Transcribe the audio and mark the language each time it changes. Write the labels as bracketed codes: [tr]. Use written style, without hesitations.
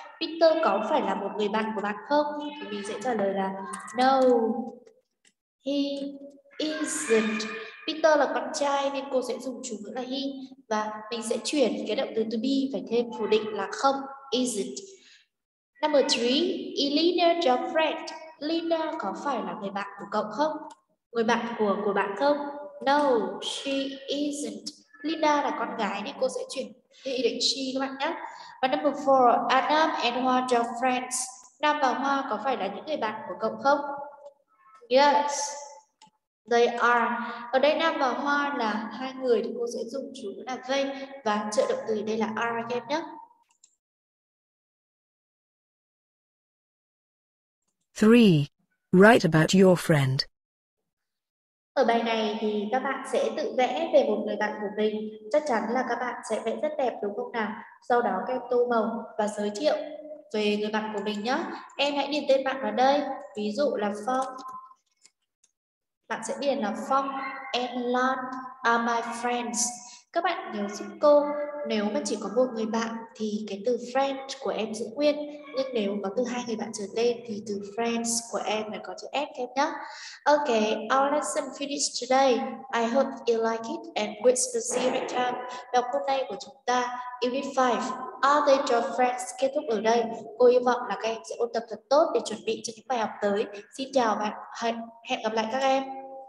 [vi] Peter có phải là một người bạn của bạn không? Thì mình sẽ trả lời là [en] no, he isn't. [vi] Peter là con trai nên cô sẽ dùng chủ ngữ là he và mình sẽ chuyển cái động từ to be phải thêm phủ định là không, isn't. [en] Number 3, is Linda your friend? [vi] Linda có phải là người bạn của cậu không? Người bạn của bạn không? [en] No, she isn't. [vi] Linda là con gái nên cô sẽ chuyển thì định she các bạn nhé. [en] Và number 4, are Nam and Hoa your friends? [vi] Nam và Hoa có phải là những người bạn của cậu không? [en] Yes, they are. [vi] Ở đây Nam và Hoa là hai người thì cô sẽ dùng chủ ngữ là they và trợ động từ đây là are các em nhé. [en] Three, write about your friend. [vi] Ở bài này thì các bạn sẽ tự vẽ về một người bạn của mình. Chắc chắn là các bạn sẽ vẽ rất đẹp đúng không nào? Sau đó các em tô màu và giới thiệu về người bạn của mình nhé. Em hãy điền tên bạn vào đây. Ví dụ là Phong. Bạn sẽ điền là [en] Phong and Lan are my friends. [vi] Các bạn nhớ giúp cô, nếu mà chỉ có một người bạn thì cái từ friend của em giữ nguyên. Nhưng nếu có từ hai người bạn trở lên thì từ friends của em phải có chữ S em nhé. [en] Ok, our lesson finished today. I hope you like it and quit the series time. [vi] Đọc hôm nay của chúng ta, Unit 5, Are They Your Friends? Kết thúc ở đây. Cô hy vọng là các em sẽ ôn tập thật tốt để chuẩn bị cho những bài học tới. Xin chào và hẹn gặp lại các em.